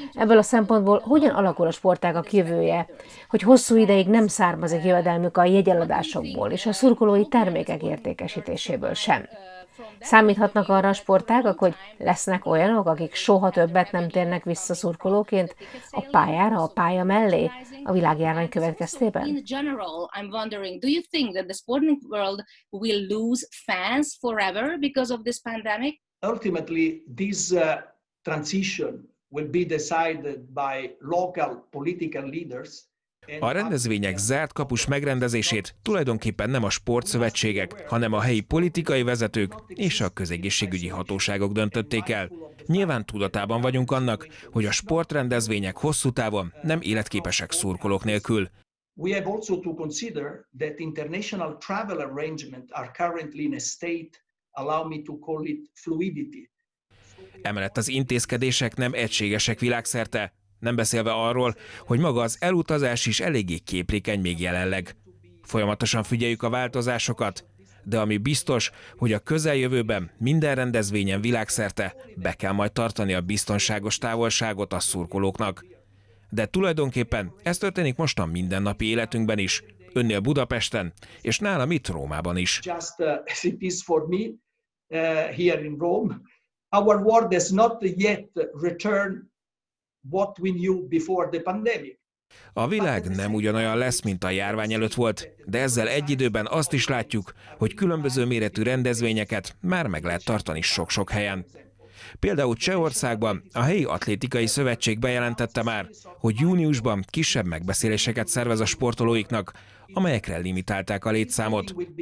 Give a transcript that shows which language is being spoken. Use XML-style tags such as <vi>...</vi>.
<hu>Ebből a szempontból hogyan alakul a sportágak jövője, hogy hosszú ideig nem származik jövedelmük a jegyeladásokból és a szurkolói termékek értékesítéséből sem? Számíthatnak arra a sportágak, hogy lesznek olyanok, akik soha többet nem térnek vissza szurkolóként a pályára, a pálya mellé, a világjárvány következtében?</hu> <en>In general, I'm wondering, do you think that the sporting world will lose fans forever because of this pandemic? Ultimately, this transition will be decided by local political leaders.</en> <hu>A rendezvények zárt kapus megrendezését tulajdonképpen nem a sportszövetségek, hanem a helyi politikai vezetők és a közegészségügyi hatóságok döntötték el. Nyilván tudatában vagyunk annak, hogy a sportrendezvények hosszú távon nem életképesek szurkolók nélkül.</hu> <en>We have also to consider that international travel arrangements are currently in a state, allow me to call it fluidity.</en> <hu>Emellett az intézkedések nem egységesek világszerte. Nem beszélve arról, hogy maga az elutazás is eléggé képlékeny még jelenleg. Folyamatosan figyeljük a változásokat, de ami biztos, hogy a közeljövőben minden rendezvényen világszerte be kell majd tartani a biztonságos távolságot a szurkolóknak. De tulajdonképpen ez történik most a mindennapi életünkben is, önnél Budapesten, és nálam itt Rómában is.</hu> <en>Just as it is for me, here in Rome, our world has not yet returned what we knew before the pandemic.</en> <hu>A világ nem ugyanolyan lesz, mint a járvány előtt volt, de ezzel egy időben azt is látjuk, hogy különböző méretű rendezvényeket már meg lehet tartani sok-sok helyen. Például Csehországban a helyi atlétikai szövetség bejelentette már, hogy júniusban kisebb megbeszéléseket szervez a sportolóiknak, amelyekre limitálták a létszámot.</hu>